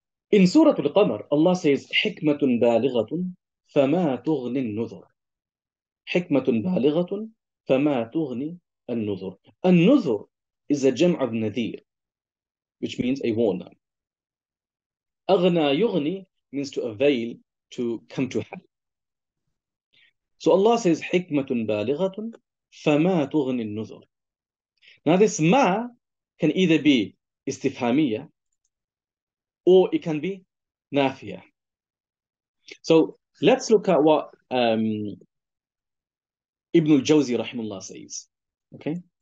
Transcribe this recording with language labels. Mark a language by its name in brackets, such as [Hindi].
[English] In Surah Al-Qamar, Allah says, [Arabic] حِكْمَةٌ بَالِغَةٌ فَمَا تُغْنِ النُّذُرُ. حِكْمَةٌ بَالِغَةٌ فَمَا تُغْنِ النُّذُرُ. [English] النُّذُرُ is a جمع of نذير, which means a warning. أَغْنَى يُغْنِي means to avail, to come to help. So Allah says, [Arabic] حِكْمَةٌ بَالِغَةٌ فَمَا تُغْنِ النُّذُرُ. [English] Now this ma can either be استفهامية, or it can be nafia. So let's look at what Ibn al-Jawzi rahimullah says. Okay?